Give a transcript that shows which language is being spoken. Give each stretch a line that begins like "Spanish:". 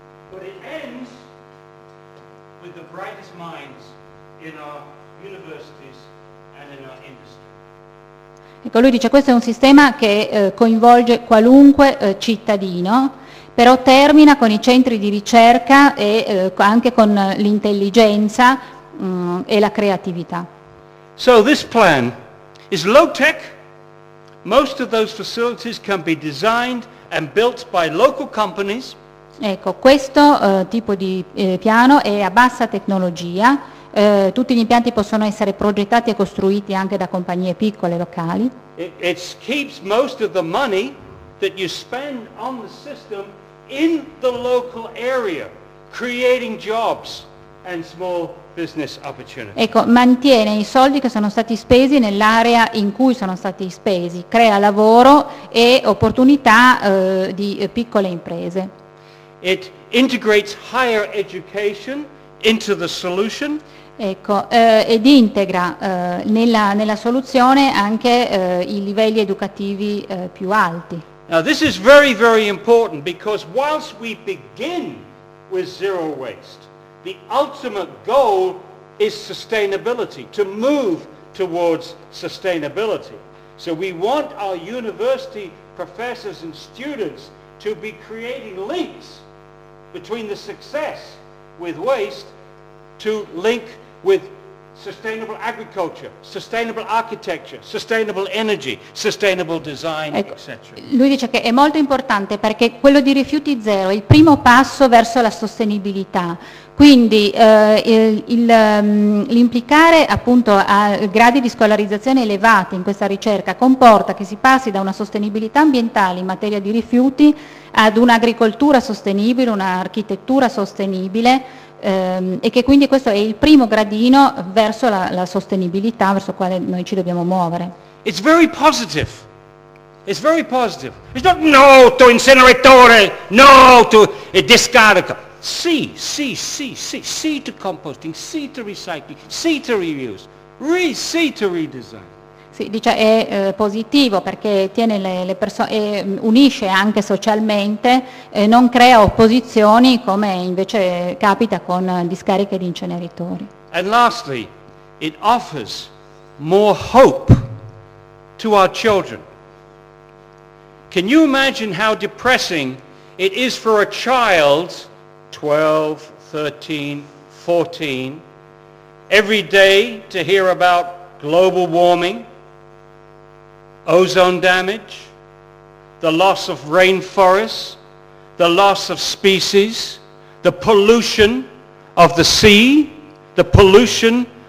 English: But it ends with the brightest minds in our universities and in our industry.
Italian: Ecco, lui dice questo è un sistema che coinvolge qualunque cittadino, però termina con i centri di ricerca e anche con l'intelligenza e la creatività.
English: So this plan is low tech. Most of those facilities can be designed and built by local companies.
Italian: Ecco, questo tipo di piano è a bassa tecnologia. Tutti gli impianti possono essere progettati e costruiti anche da compagnie piccole locali.
English: It keeps most of the money that you spend on the system in the local area, creating jobs and small business opportunities.
Italian: Ecco, mantiene i soldi che sono stati spesi nell'area in cui sono stati spesi, crea lavoro e opportunità di piccole imprese.
English: It integrates higher education into the solution.
Italian: Ecco, ed integra nella soluzione anche i livelli educativi più alti.
English: Now this is very, very important because whilst we begin with zero waste, the ultimate goal is sustainability, to move towards sustainability. So we want our university professors and students to be creating links between the success with waste to link with sustainable agriculture, sustainable architecture, sustainable energy, sustainable design,
Italian: ecco, eccetera. Lui dice che è molto importante perché quello di rifiuti zero è il primo passo verso la sostenibilità. Quindi l'implicare appunto a gradi di scolarizzazione elevati in questa ricerca comporta che si passi da una sostenibilità ambientale in materia di rifiuti ad un'agricoltura sostenibile, un'architettura sostenibile, e che quindi questo è il primo gradino verso la sostenibilità verso quale noi ci dobbiamo muovere.
English: It's very positive. It's very positive. It's not no to incineratore, no to discarica. C to composting, C to recycling, C to reuse, C to redesign.
Italian: Sì, dice è positivo perché tiene le persone, unisce anche socialmente, non crea opposizioni come invece capita con discariche di inceneritori.
English: And lastly, it offers more hope to our children. Can you imagine how depressing it is for a child 12, 13, 14, every day to hear about global warming, ozone damage, the loss of rainforests, the loss of species, the pollution of the sea, the pollution